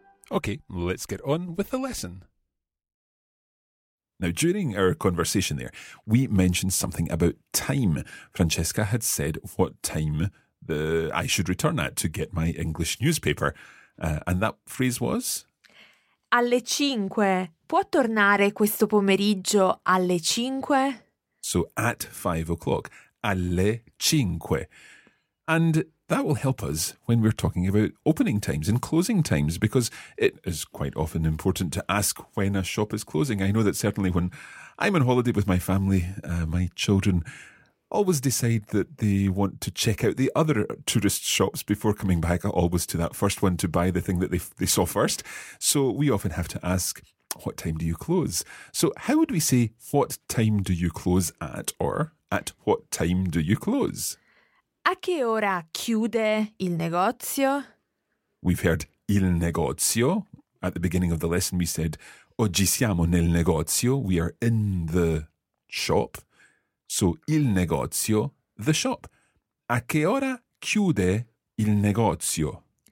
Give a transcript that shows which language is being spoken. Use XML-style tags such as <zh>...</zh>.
<en>Okay, let's get on with the lesson. Now, during our conversation there, we mentioned something about time. Francesca had said what time I should return at to get my English newspaper. And that phrase was?</en> <it>Alle cinque. Può tornare questo pomeriggio alle cinque?</it> <en>So, at 5 o'clock.</en> <it>Alle cinque.</it> <en>And that will help us when we're talking about opening times and closing times, because it is quite often important to ask when a shop is closing. I know that certainly when I'm on holiday with my family, my children always decide that they want to check out the other tourist shops before coming back, always to that first one to buy the thing that they saw first. So we often have to ask, what time do you close? So how would we say, what time do you close at, or at what time do you close?</en> <it>A che ora chiude il negozio?</it> <en>We've heard il negozio. At the beginning of the lesson we said,</en> <it>oggi siamo nel negozio.</it> <en>We are in the shop. So, il negozio, the shop.</en> <it>A che ora chiude il negozio?</it>